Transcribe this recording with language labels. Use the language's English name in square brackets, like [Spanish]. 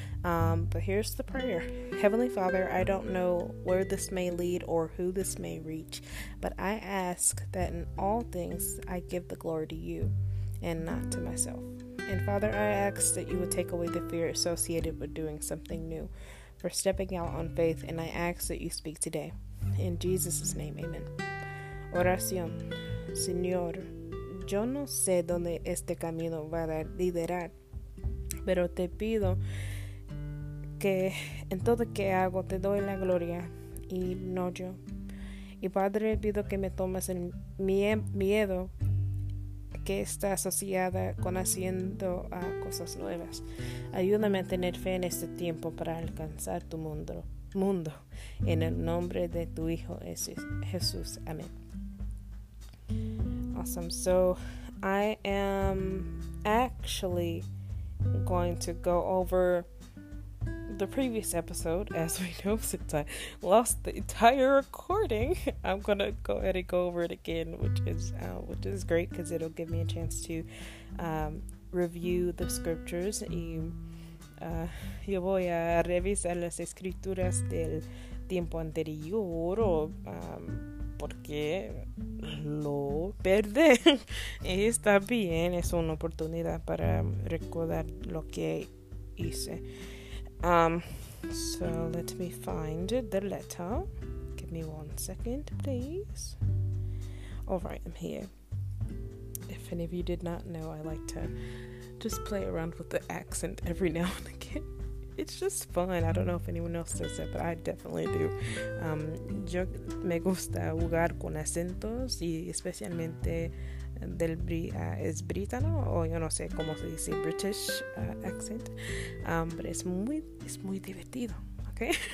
[English] But here's the prayer. Heavenly Father, I don't know where this may lead or who this may reach, but I ask that in all things I give the glory to you and not to myself. And Father, I ask that you would take away the fear associated with doing something new, for stepping out on faith, and I ask that you speak today. In Jesus' name, amen. Oración. [Spanish] Señor, yo no sé dónde este camino va a liderar, pero te pido que en todo que hago te doy la gloria y no yo. Y Padre, pido que me tomes el miedo que está asociada con haciendo cosas nuevas. Ayúdame a tener fe en este tiempo para alcanzar tu mundo. En el nombre de tu Hijo Jesús. Amén. [English] Awesome. So I am actually going to go over the previous episode, as we know, since I lost the entire recording. I'm gonna go ahead and go over it again, which is great, because it'll give me a chance to review the scriptures [Spanish] y yo voy a revisar las escrituras del tiempo anterior o porque lo perdí. Está bien, es una oportunidad para recordar lo que hice. [English] So let me find the letter. Give me 1 second, please. All right, I'm here. If any of you did not know, I like to just play around with the accent every now and again. It's just fun. I don't know if anyone else does it, but I definitely do. [Spanish] Yo me gusta jugar con acentos, y especialmente del es britano, o yo no sé cómo se dice, [English] British accent. [Spanish] Pero es muy divertido, okay?